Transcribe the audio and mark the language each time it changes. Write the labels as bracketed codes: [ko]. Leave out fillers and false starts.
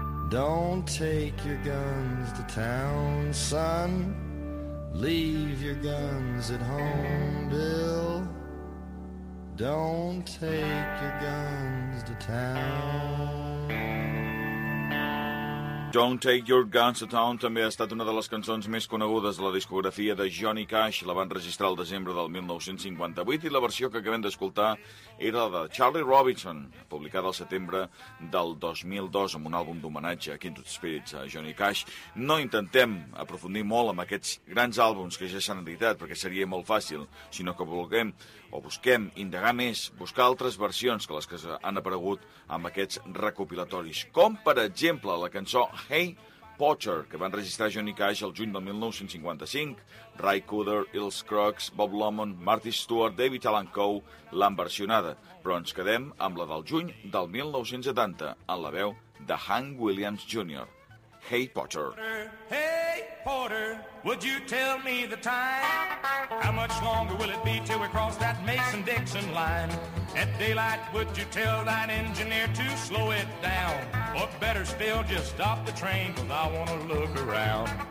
[en] "Don't take your guns to town, son. Leave your guns at home, Bill. Don't take your guns to town." [ca] "Don't Take Your Guns to Town" també ha estat una de les cançons més conegudes de la discografia de Johnny Cash. La van registrar el desembre del 1958 i la versió que acabem d'escoltar era la de Charlie Robinson, publicada el setembre del 2002 amb un àlbum d'homenatge a Kindred Spirits, a Johnny Cash. No intentem aprofundir molt en aquests grans àlbums que ja s'han editat, perquè seria molt fàcil, sinó que vulguem o busquem indagar més, buscar altres versions que les que han aparegut amb aquests recopilatoris. Com, per exemple, la cançó Hey Potter, que van registrar Johnny Cash el juny del 1955. Ray Cooder, Els Crocs, Bob Lomon, Marty Stewart, David Alan Coe l'han versionada. Però ens quedem amb la del juny del 1970, en la veu de Hank Williams Jr. Hey Potter. [en] Hey Potter, would you tell me the time? How much longer will it be till we cross that Mason-Dixon line? At daylight, would you tell that engineer to slow it down? Or better still, just stop the train, cause I wanna look around.